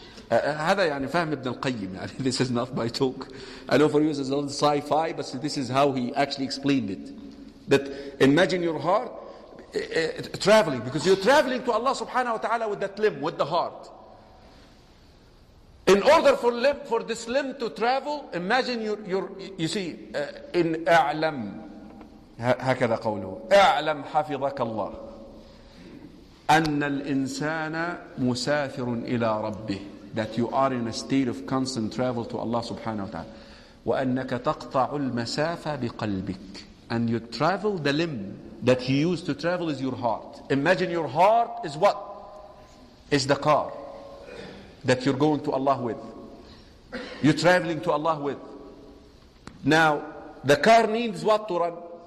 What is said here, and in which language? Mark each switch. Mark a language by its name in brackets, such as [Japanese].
[Arabic] هذا يعني فهم ابن القيم. [English] This is not my talk. I know for you this is all sci-fi, but this is how he actually explained it. That imagine your heart traveling, because you're traveling to Allah subhanahu wa ta'ala with that limb, with the heart. In order for this limb to travel, imagine you see, in [Arabic] أعلم هكذا قوله أعلم حفظك الله أن الإنسان مسافر إلى ربه. [English] That you are in a state of constant travel to Allah subhanahu wa ta'ala. [Arabic] وأنك تقطع المسافة بقلبك. [English] And you travel, the limb that he used to travel is your heart. Imagine your heart is what? Is the car that you're going to Allah with. You're traveling to Allah with. Now, the car needs what to run?